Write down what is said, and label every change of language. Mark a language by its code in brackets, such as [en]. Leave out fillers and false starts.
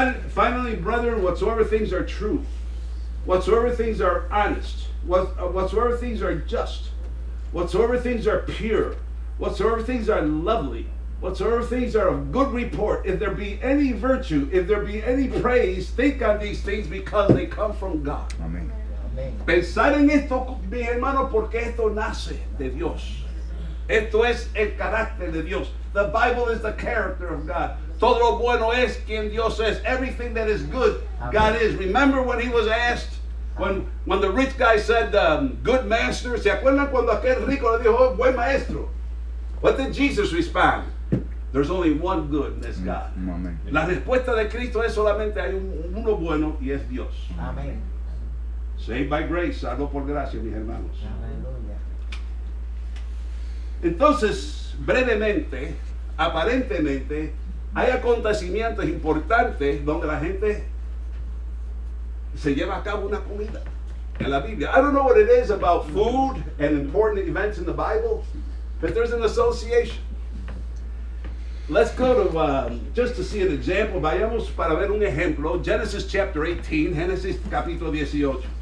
[en] Finally, brethren, whatsoever things are true, whatsoever things are honest, whatsoever things are just, whatsoever things are pure, whatsoever things are lovely, whatsoever things are of good report, if there be any virtue, if there be any praise, think on these things because they come from God. Amen. [es] Pensar en esto, mi hermano, porque esto nace de Dios. Esto es el carácter de Dios. [en] The Bible is the character of God. [es] Todo lo bueno es quien Dios es. [en] Everything that is good, Amen. God is. Remember when he was asked, when the rich guy said, good master. [es] ¿Se acuerdan cuando aquel rico le dijo, buen maestro? [en] What did Jesus respond? There's only one good, and it's God. Amen. [es] La respuesta de Cristo es solamente hay uno bueno, y es Dios. [en] Amen. Saved by grace, [es] salvo por gracia, mis hermanos. Aleluya. Entonces, brevemente, aparentemente, hay acontecimientos importantes donde la gente se lleva a cabo una comida en la Biblia. [en] I don't know what it is about food and important events in the Bible, but there's an association. Let's go to, just to see an example, [es] vayamos para ver un ejemplo, [en] Genesis chapter 18, [es] Genesis capítulo 18.